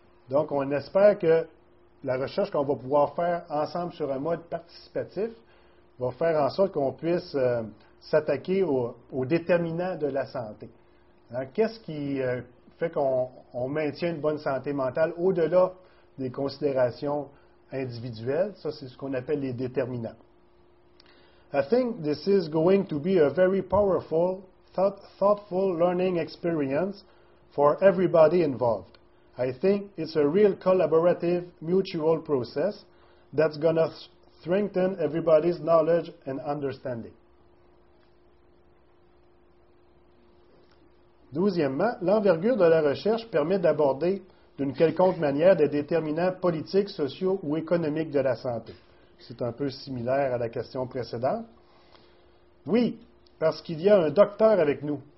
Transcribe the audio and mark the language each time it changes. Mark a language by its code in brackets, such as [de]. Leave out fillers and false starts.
[fr] Donc, on espère que la recherche qu'on va pouvoir faire ensemble sur un mode participatif va faire en sorte qu'on puisse s'attaquer aux déterminants de la santé. Alors, qu'est-ce qui fait qu'on maintient une bonne santé mentale au-delà des considérations individuelles? Ça, c'est ce qu'on appelle les déterminants. [en] I think this is going to be a very powerful, thoughtful learning experience for everybody involved. I think it's a real collaborative, mutual process that's going to strengthen everybody's knowledge and understanding. [fr] Douzièmement, l'envergure de la recherche permet d'aborder d'une quelconque manière des déterminants politiques, sociaux ou économiques de la santé. C'est un peu similaire à la question précédente. Oui, parce qu'il y a un docteur avec nous.